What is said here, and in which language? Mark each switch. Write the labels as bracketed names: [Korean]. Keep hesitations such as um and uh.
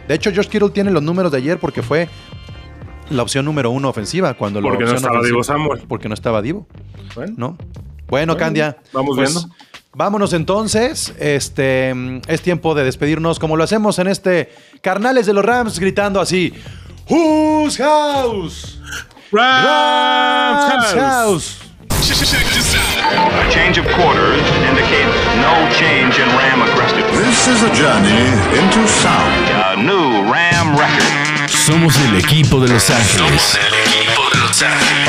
[Spanish] De hecho, George Kittle tiene los números de ayer porque fue la opción número uno ofensiva. Cuando porque no estaba ofensiva, Divo Samuel. Porque no estaba Divo. Bueno. ¿No? Bueno, bueno, Candia. Vamos pues, viendo. Vámonos entonces. Este es tiempo de despedirnos como lo hacemos en este Carnales de los Rams gritando así. [English] Who's house? Rams, Rams, Rams, Rams house. A change of quarters indicates no change in Ram aggressive. This is a journey into sound. A new Ram record. [Spanish] Somos el equipo de Los Ángeles. Somos el equipo de Los Ángeles.